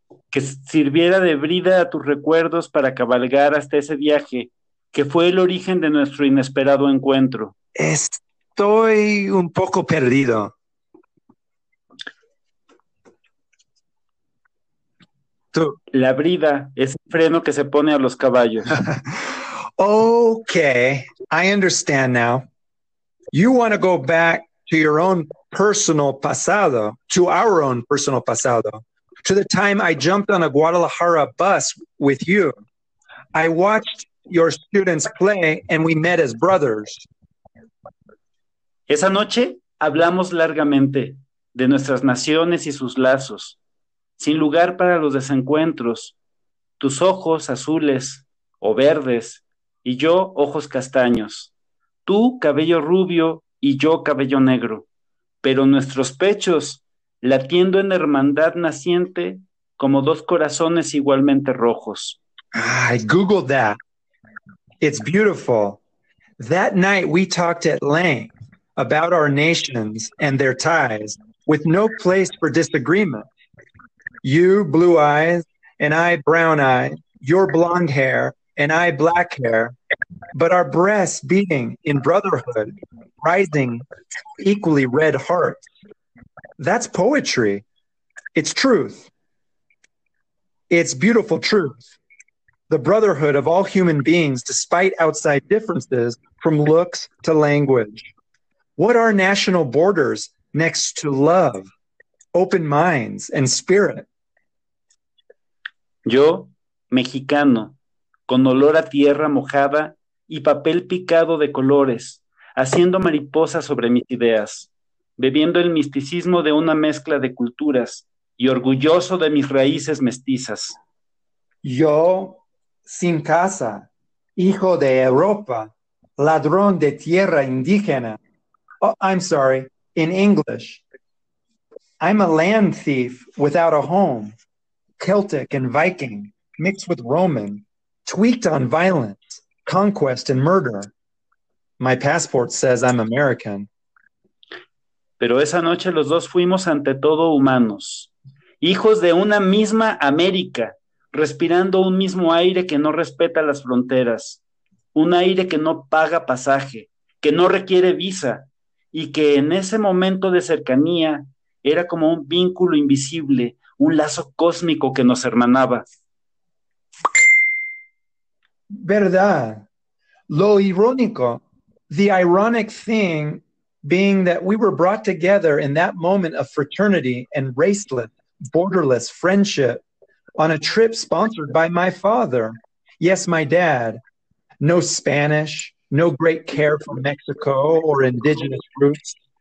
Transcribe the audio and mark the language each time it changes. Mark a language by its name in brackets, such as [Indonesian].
[Spanish] Que sirviera de brida a tus recuerdos para cabalgar hasta ese viaje, que fue el origen de nuestro inesperado encuentro. Estoy un poco perdido. Tú. La brida es el freno que se pone a los caballos. [English] Okay, I understand now. You want to go back to your own personal pasado, to our own personal pasado, to the time I jumped on a Guadalajara bus with you. I watched your students play and we met as brothers. [Spanish] Esa noche hablamos largamente de nuestras naciones y sus lazos, sin lugar para los desencuentros, tus ojos azules o verdes. Y yo, ojos castaños. Tú, cabello rubio, y yo, cabello negro. Pero nuestros pechos, latiendo en hermandad naciente, como dos corazones igualmente rojos. [English] I googled that. It's beautiful. That night we talked at length about our nations and their ties, with no place for disagreement. You, blue eyes, and I, brown eyes, your blonde hair, and I, black hair, but our breasts beating in brotherhood, rising equally red hearts. That's poetry. It's truth. It's beautiful truth. The brotherhood of all human beings, despite outside differences from looks to language. What are national borders next to love, open minds, and spirit? [Spanish] Yo, Mexicano. Con olor a tierra mojada y papel picado de colores, haciendo mariposas sobre mis ideas, bebiendo el misticismo de una mezcla de culturas y orgulloso de mis raíces mestizas. Yo, sin casa, hijo de Europa, ladrón de tierra indígena. [English] Oh, I'm sorry, in English. I'm a land thief without a home, Celtic and Viking, mixed with Roman. Tweaked on violence, conquest, and murder. My passport says I'm American. [Spanish] Pero esa noche los dos fuimos ante todo humanos, hijos de una misma América, respirando un mismo aire que no respeta las fronteras, un aire que no paga pasaje, que no requiere visa, y que en ese momento de cercanía era como un vínculo invisible, un lazo cósmico que nos hermanaba. Verdad. Lo irónico, [English] the ironic thing being that we were brought together in that moment of fraternity and raceless, borderless friendship on a trip sponsored by my father. Yes, my dad. No Spanish, no great care for Mexico or indigenous roots.